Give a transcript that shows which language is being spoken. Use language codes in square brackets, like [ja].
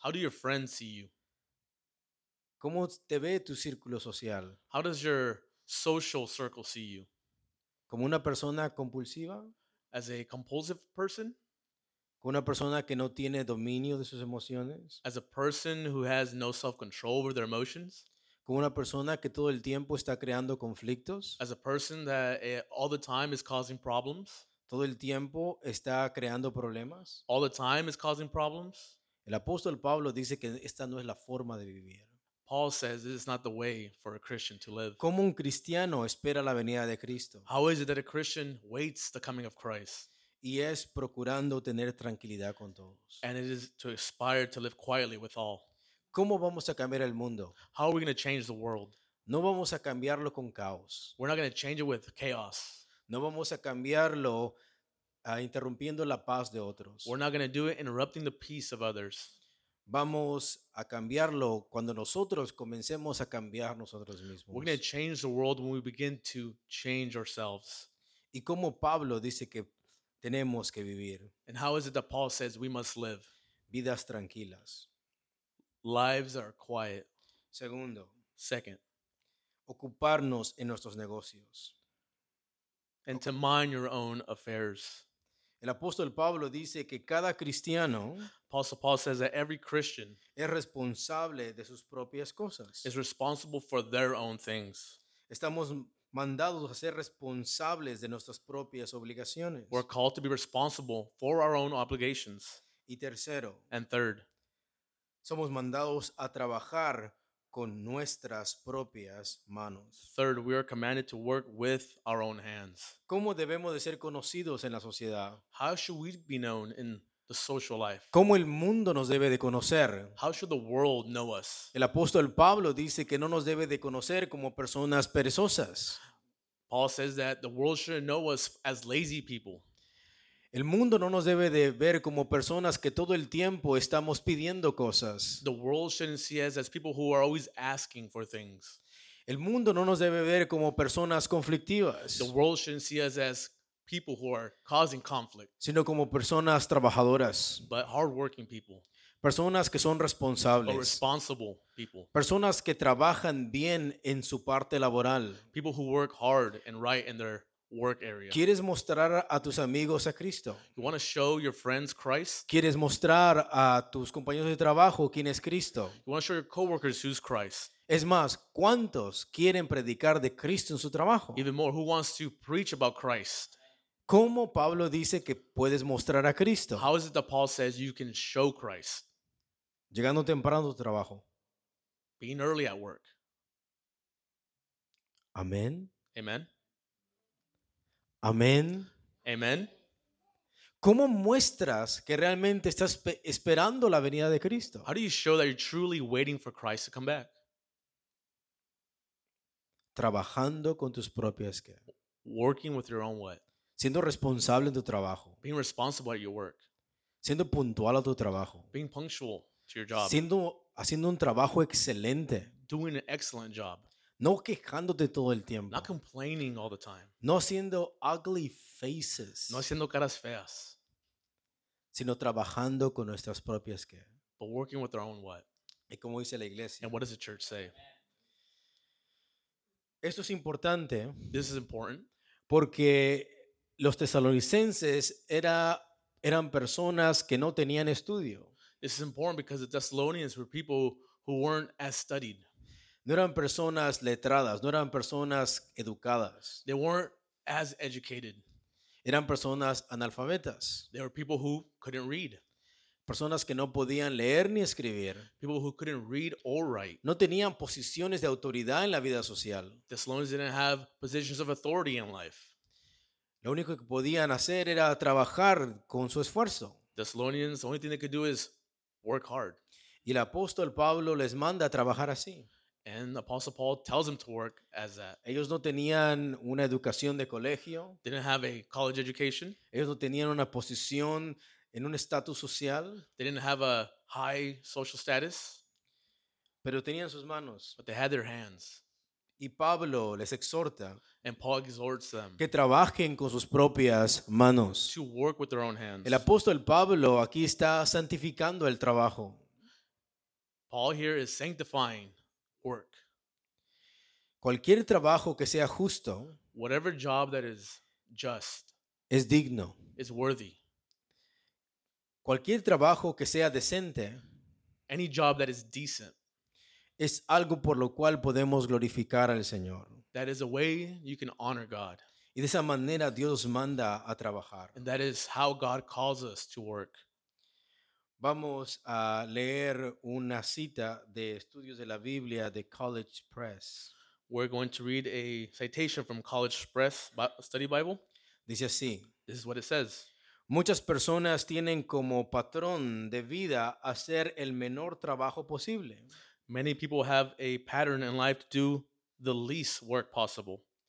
[en] How do your friends see you? [es] ¿Cómo te ve tu círculo social? [en] How does your social circle see you? [es] ¿Como una persona compulsiva? [en] As a compulsive person? [es] ¿Como una persona que no tiene dominio de sus emociones? [en] As a person who has no self-control over their emotions? [es] ¿Como una persona que todo el tiempo está creando conflictos? [en] As a person that all the time is causing problems? [es] ¿Todo el tiempo está creando problemas? [en] All the time is causing problems? [es] El apóstol Pablo dice que esta no es la forma de vivir. [en] Paul says this is not the way for a Christian to live. [es] ¿Cómo un cristiano espera la venida de Cristo? [en] How is it that a Christian waits the coming of Christ? [es] Y es procurando tener tranquilidad con todos. [en] And it is to aspire to live quietly with all. [es] ¿Cómo vamos a cambiar el mundo? [en] How are we going to change the world? [es] No vamos a cambiarlo con caos. [en] We're not going to change it with chaos. [es] No vamos a cambiarlo interrumpiendo la paz de otros. [en] We're not going to do it interrupting the peace of others. [es] Vamos a cambiarlo cuando nosotros comencemos a cambiar nosotros mismos. [en] We're going to change the world when we begin to change ourselves. [es] ¿Y cómo Pablo dice que tenemos que vivir? [en] And how is it that Paul says we must live? [es] Vidas tranquilas. [en] Lives are quiet. [es] Segundo. [en] Second. [es] Ocuparnos en nuestros negocios. [en] And to mind your own affairs. [es] El apóstol Pablo dice que cada cristiano, [en] Apostle Paul says that every Christian, [es] es responsable de sus propias cosas. [en] Is responsible for their own things. [es] Estamos mandados a ser responsables de nuestras propias obligaciones. [en] We're called to be responsible for our own obligations. [es] Y tercero, [en] and third, [es] somos mandados a trabajar con nuestras propias manos. [en] Third, we are commanded to work with our own hands. [es] ¿Cómo debemos de ser conocidos en la sociedad? [en] How should we be known in the social life? [es] ¿Cómo el mundo nos debe de conocer? [en] How should the world know us? [es] El apóstol Pablo dice que no nos debe de conocer como personas perezosas. [en] Paul says that the world shouldn't know us as lazy people. [es] El mundo no nos debe de ver como personas que todo el tiempo estamos pidiendo cosas. [en] The world shouldn't see us as people who are always asking for things. [es] El mundo no nos debe ver como personas conflictivas. [en] The world shouldn't see us as people who are causing conflict. [es] Sino como personas trabajadoras. [en] But hardworking people. [es] Personas que son responsables. [en] Or responsible people. [es] Personas que trabajan bien en su parte laboral. [en] People who work hard and right in their work area. [es] ¿Quieres mostrar a tus amigos a Cristo? [en] You want to show your friends Christ? [es] ¿Quieres mostrar a tus compañeros de trabajo quién es Cristo? [en] You want to show your coworkers who's Christ? [es] Es más, ¿cuántos quieren predicar de Cristo en su trabajo? [en] Even more, who wants to preach about Christ? [es] ¿Cómo Pablo dice que puedes mostrar a Cristo? [en] How is it that Paul says you can show Christ? [es] Llegando temprano a tu trabajo. [en] Being early at work. [es] Amén. [en] Amen. [es] Amén. [en] Amen. [es] ¿Cómo muestras que realmente estás esperando la venida de Cristo? [en] How do you show that you're truly waiting for Christ to come back? [es] Trabajando con tus propias qué? [en] Working with your own what? [es] Siendo responsable en tu trabajo. [en] Being responsible at your work. [es] Siendo puntual a tu trabajo. [en] Being punctual to your job. [es] Haciendo un trabajo excelente. [en] Doing an excellent job. [es] No quejándote todo el tiempo. [en] Not complaining all the time. [es] No haciendo [en] ugly faces. [es] No haciendo caras feas. Sino trabajando con nuestras propias qué. [en] But working with our own what? [es] Y como dice la iglesia. [en] And what does the church say? [es] Esto es importante. [en] This is important. [es] Porque los tesalonicenses eran personas que no tenían estudio. [en] This is important because the Thessalonians were people who weren't as studied. [es] No eran personas letradas, no eran personas educadas. [en] They weren't as educated. [es] Eran personas analfabetas. [en] They were people who couldn't read. [es] Personas que no podían leer ni escribir. [en] People who couldn't read or write. [es] No tenían posiciones de autoridad en la vida social. [en] The Thessalonians didn't have positions of authority in life. [es] Lo único que podían hacer era trabajar con su esfuerzo. [en] The Thessalonians, the only thing they could do is work hard. [es] Y el apóstol Pablo les manda a trabajar así. [en] And Apostle Paul tells them to work as that. [es] Ellos no tenían una educación de colegio. [en] Didn't have a college education. [es] Ellos no tenían una posición en un estatus social. [en] They didn't have a high social status. [es] Pero tenían sus manos. [en] But they had their hands. [es] Y Pablo les exhorta. [en] And Paul exhorts them. [es] Que trabajen con sus propias manos. [en] To work with their own hands. [es] El apóstol Pablo aquí está santificando el trabajo. [en] Paul here is sanctifying work. [es] Cualquier trabajo que sea justo. [en] Whatever job that is just. [es] Es digno. [en] Is worthy. [es] Cualquier trabajo que sea decente. [en] Any job that is decent. [es] Es algo por lo cual podemos glorificar al Señor. [en] That is a way you can honor God. [es] Y de esa manera Dios manda a trabajar. [en] And that is how God calls us to work. [es] Vamos a leer una cita de Estudios de la Biblia de College Press. [en] We're going to read a citation from College Press Study Bible. [es] Dice así. [en] This is what it says. [es] Muchas personas tienen como patrón de vida hacer el menor trabajo posible. [en] Many people have a pattern in life to do the least work possible.